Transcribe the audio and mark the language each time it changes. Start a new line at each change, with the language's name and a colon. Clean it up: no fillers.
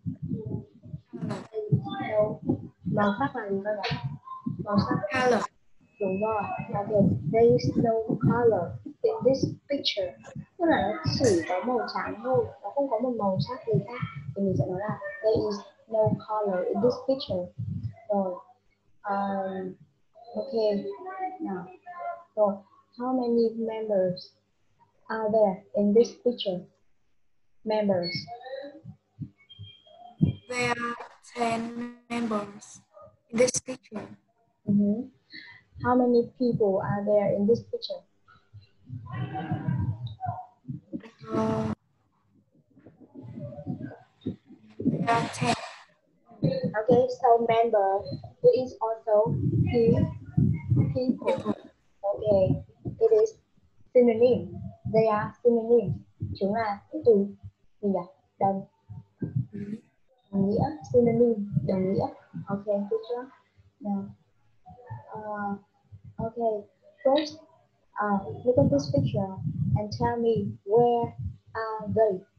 Vietnamese: No. Màu sắc là gì các bạn? Màu sắc
English: color.
Vietnamese: Đúng rồi.
English: Okay. There is no color in this picture.
Vietnamese: Tức là nó chỉ có màu trắng thôi, nó không có một màu sắc gì khác. Thì mình sẽ nói là
English: there is no color in this picture.
Vietnamese: Rồi.
English: Okay. Now, so how many members are there in this picture? Members. There are 10 members in this picture. Mm-hmm. How many people are there in this picture? There are 10. Okay, so member is also people. Okay, it is synonym. They are synonym.
Vietnamese: Chúng là từ gì nhỉ? Đồng. Đồng nghĩa, synonym, đồng nghĩa.
English: Okay, teacher. Now, okay, first, look at this picture and tell me where are they?